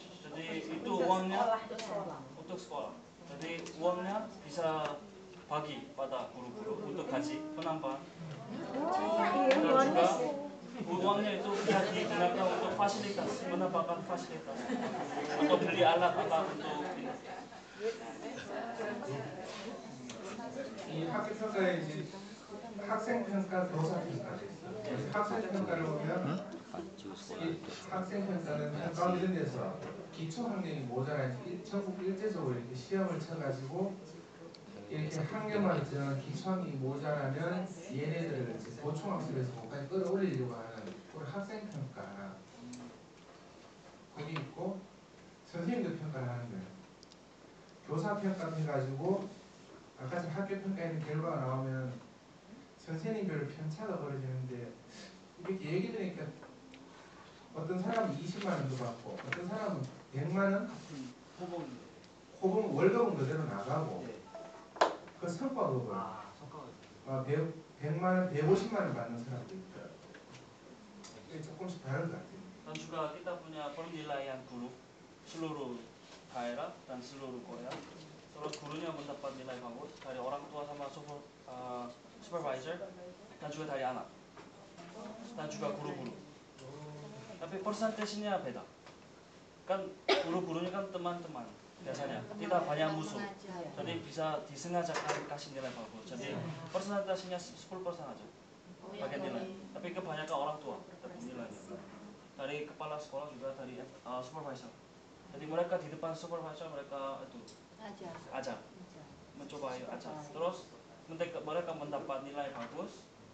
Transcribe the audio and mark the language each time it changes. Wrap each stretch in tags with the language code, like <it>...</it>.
<id>jadi itu uangnya untuk sekolah jadi uangnya bisa bagi pada guru-guru untuk gaji penambahan dan juga uangnya itu bisa digunakan untuk fasilitas menambahkan fasilitas untuk beli alat apa untuk ini.</id> <ko>이 학교 평가에 이제 학생 평가, 교사 평가가 있어요. 학생 평가를 보면 이 학생 평가는 평가 이런 데서 기초 학력이 모자라서 전국 일제적으로 이렇게 시험을 쳐가지고 이렇게 학력만 있지만 기초 학력이 모자라면 얘네들을 이제 보충학습에서 거기까지 끌어올리려고 하는 그런 학생 평가 거기 있고 선생님도 평가를 하는 거예요. 교사 평가 해가지고 아까 전 학교 평가에 있는 결과가 나오면 선생님별 편차가 벌어지는데 이렇게 얘기 드니까 어떤 사람은 20만 원도 받고 어떤 사람은 100만 원? 호봉 월급은 그대로 나가고 네. 그 성과도 아, 성과가 100만 원, 150만 원 받는 사람도 있다 이게 조금씩 다른 것 같아요 단추가 있다 보냐 그런 일라이한 그룹 슬로로 다이라 단 슬로로 거야 그리고 그루냐 문답한 일라이 광고 다리 오랑뚜와 삼아 소포 슈퍼바이저 단추가 다리 하나</ko> <id>단추가 그루그루 tapi persentasenya beda kan guru-guru ini kan teman-teman biasanya tidak banyak musuh jadi bisa disengajakan kasih nilai bagus jadi persentasenya 10% aja pakai nilai tapi kebanyakan orang tua tapi nilainya dari kepala sekolah juga dari supervisor jadi mereka di depan supervisor mereka itu ajar mencoba ayo ajar terus mereka mendapat nilai bagus</id>